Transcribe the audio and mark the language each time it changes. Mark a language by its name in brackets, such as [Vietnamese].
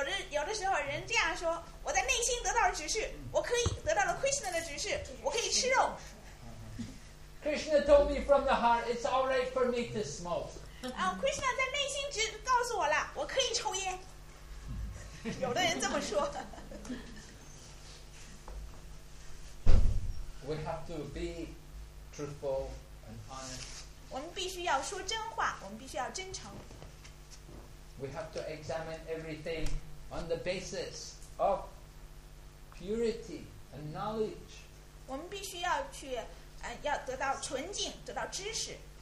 [Chinese] 有的时候人这样说我在内心得到了指示我可以得到了 Krishna 的指示我可以吃肉 [English] Krishna told me from the heart it's alright for me to smoke [Chinese] Krishna 在内心只告诉我了我可以抽烟有的人这么说 [English] We have to be truthful and honest [Chinese] 我们必须要说真话我们必须要真诚 [English] We have to examine everything on the basis of purity and knowledge [Chinese] 我们必须要去要得到纯净得到知识